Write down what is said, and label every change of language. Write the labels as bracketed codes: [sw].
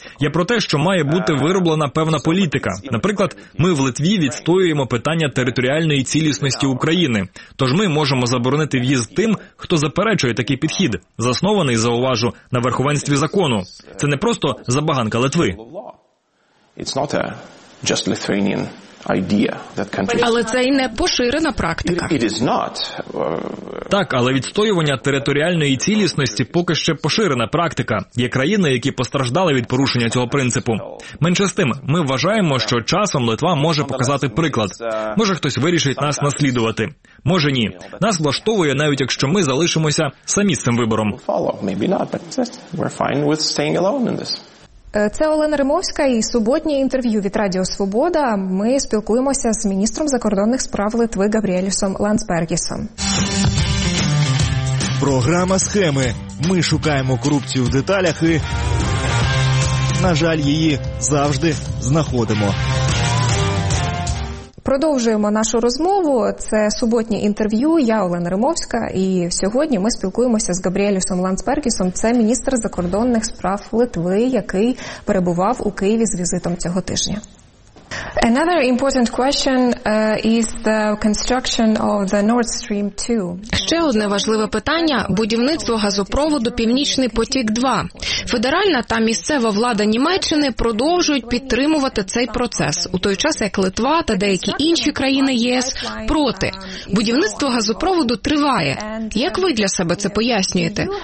[uk] Я про те, що має бути вироблена певна політика. Наприклад, ми в Литві відстоюємо питання територіальної цілісності України. Тож ми можемо заборонити в'їзд тим, хто заперечує такий підхід, заснований, зауважу, на верховенстві закону. Це не просто забаганка Литви. [en] It's not a just Lithuanian idea that country. [uk] Але це й не поширена практика. [en] It is not. [uk] Так, але відстоювання територіальної цілісності поки ще поширена практика. Є країни, які постраждали від порушення цього принципу. Менше з тим, ми вважаємо, що часом Литва може показати приклад. Може хтось вирішить нас наслідувати. Може ні. Нас влаштовує, навіть якщо ми залишимося самі з цим вибором. [en] Maybe not, but we're fine with staying alone in this. [uk] Це Олена Римовська і суботнє інтерв'ю від Радіо Свобода. Ми спілкуємося з міністром закордонних справ Литви Габріелісом Ландсбергісом. Програма «Схеми». Ми шукаємо корупцію в деталях і, на жаль, її завжди знаходимо. Продовжуємо нашу розмову. Це суботнє інтерв'ю. Я Олена Римовська. І сьогодні ми спілкуємося з Габріелісом Ландсбергісом. Це міністр закордонних справ Литви, який перебував у Києві з візитом цього тижня. [en] Another important question is the construction of the Nord Stream 2. [uk] Ще одне важливе питання – будівництво газопроводу «Північний потік-2». Федеральна та місцева влада Німеччини продовжують підтримувати цей процес, у той час як Литва та деякі інші країни ЄС проти. Будівництво газопроводу триває. Як ви для себе це пояснюєте?